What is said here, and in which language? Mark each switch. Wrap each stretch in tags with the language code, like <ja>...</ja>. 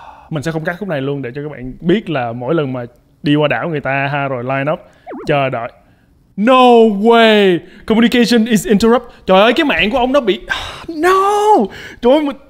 <vi>Mình sẽ không cắt khúc này luôn để cho các bạn biết là mỗi lần mà đi qua đảo người ta ha, rồi line up chờ đợi.</vi> <en>No way, communication is interrupt.</en> <vi>Trời ơi, cái mạng của ông nó bị. No, trời ơi.</vi>